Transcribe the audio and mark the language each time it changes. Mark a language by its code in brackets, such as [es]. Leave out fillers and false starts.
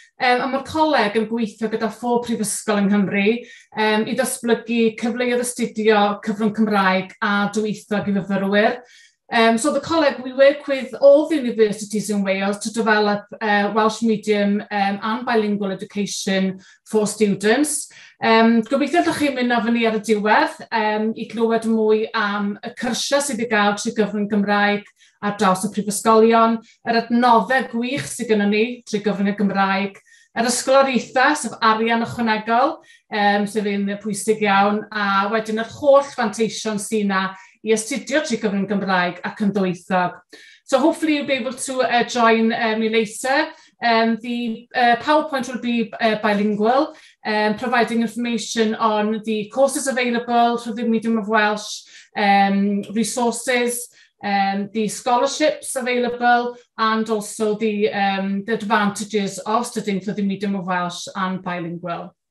[cy] A mae'r coleg yn gweithio gyda phob prifysgol yng Nghymru i ddatblygu cyfleoedd astudio cyfrwng Cymraeg a ddwyieithog i fyfyrwyr. [en] So the coleg, we work with all the universities in Wales to develop Welsh medium and bilingual education for students. [cy] Gobeithio ddech chi'n mynd ofyn ni ar y diwedd i glywed mwy am y cyrsiau sydd wedi gael trwy gyfrwng Gymraeg ar draws y prifysgolion, yr adnoddau gwych sydd gynnu ni trwy gyfrwng y Gymraeg, yr ysglorieithau sef arian ychwanegol, sef un pwysig iawn, a wedyn yr holl fanteision sy'n na i astudio trwy gyfrwng Gymraeg ac yn ddwyieithog. [en] So hopefully you'll be able to join me later. The PowerPoint will be bilingual, providing information on the courses available through the medium of Welsh, resources, the scholarships available, and also the advantages of studying through the medium of Welsh and bilingual.